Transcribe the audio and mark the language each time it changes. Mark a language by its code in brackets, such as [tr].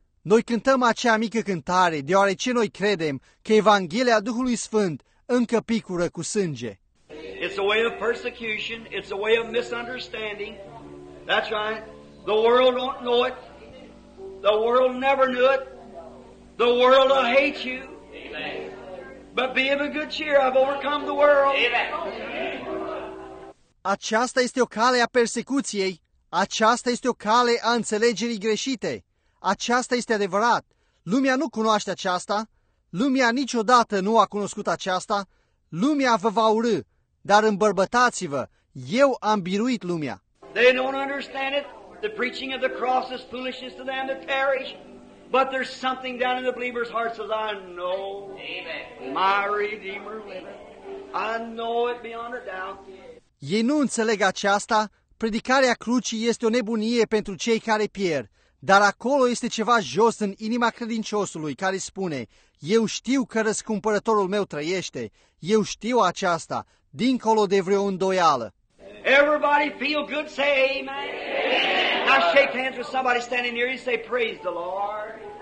[ro] Noi cântăm acea mică cântare, deoarece noi credem că Evanghelia Duhului Sfânt încă picură cu sânge. [en] It's a way of persecution, it's a way of misunderstanding. That's right. The world don't know it. The world never knew it. The world will hate you. Amen. But be of a good cheer, I've overcome the world. Amen. [ro] Aceasta este o cale a persecuției. Aceasta este o cale a înțelegerii greșite. Aceasta este adevărat. Lumea nu cunoaște aceasta. Lumea niciodată nu a cunoscut aceasta. Lumea vă va urâ. Dar îmbărbătați-vă, eu am biruit lumea. [en] They don't understand it. The preaching of the cross is foolishness to them that perish. But there's something down in the believer's hearts that I know my Redeemer liveth. I know it beyond a doubt. [ro] Ei nu înțeleg aceasta. Predicarea crucii este o nebunie pentru cei care pierd, dar acolo este ceva jos în inima credinciosului care spune: eu știu că răscumpărătorul meu trăiește, eu știu aceasta, dincolo de vreo îndoială. [en] Everybody feel good, say amen. Now shake hands with somebody standing near you and say praise the Lord.